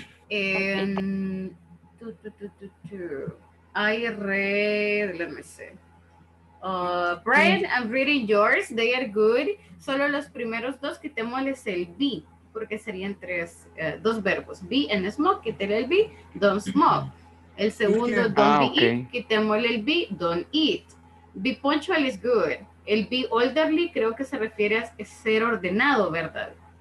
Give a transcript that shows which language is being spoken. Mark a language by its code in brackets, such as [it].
[en] Let me see. Brian, I'm reading yours. They are good. [es] Solo los primeros dos quitémosles el be, porque serían dos verbos. [en] Be and smoke, [es] quítele el [en] be, don't smoke. [es] El segundo, [en] don't be eat, [es] quitémosle el be, [en] don't eat. Be punctual is good. [es] El be orderly creo que se refiere a ser ordenado, ¿verdad?